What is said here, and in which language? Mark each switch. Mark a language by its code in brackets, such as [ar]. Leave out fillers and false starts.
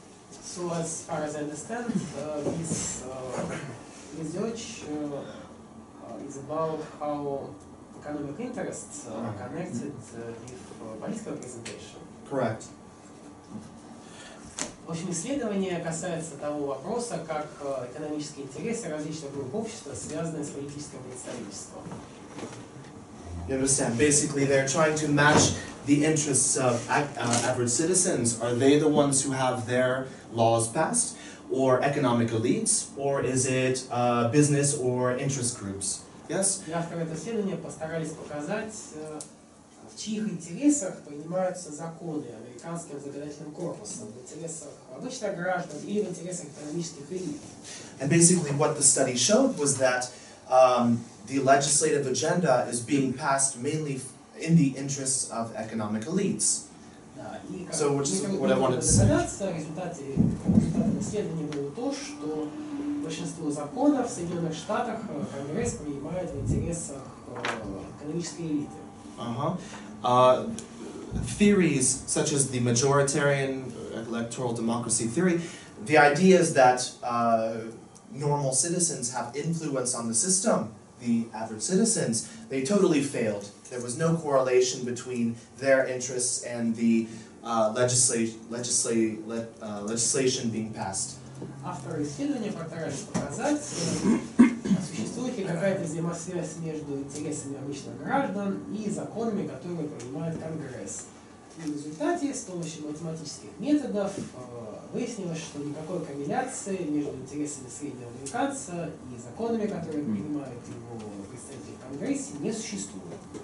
[en] So as far as I understand, this research is about how economic interests are connected with political representation. Correct. [ru] В общем, исследование касается того вопроса, как экономические интересы различных групп общества связаны с политическим представительством. [en] You understand? Basically, they're trying to match the interests of average citizens. Are they the ones who have their laws passed, or economic elites, or is it business or interest groups? Yes? [ru] И авторы этого исследования постарались показать, в чьих интересах принимаются законы американским законодательным корпусом, в интересах обычных граждан или в интересах экономических элит. [en] And basically what the study showed was that the legislative agenda is being passed mainly in the interests of economic elites. So, which is what I wanted to say. [ru] Результатом исследования было то, что большинство законов в Соединенных Штатах Конгресс принимает в интересах экономической элиты. [en] Theories such as the majoritarian electoral democracy theory, the idea is that normal citizens have influence on the system, the average citizens, they totally failed. There was no correlation between their interests and the legislation being passed. After [ru] исследование пытались показать, существует ли какая-то взаимосвязь между интересами обычных граждан и законами, которые принимает Конгресс. И в результате, с помощью математических методов, в выяснилось, что никакой корреляции между интересами среднего американца и законами, которые принимают его представители в Конгрессе, не существует.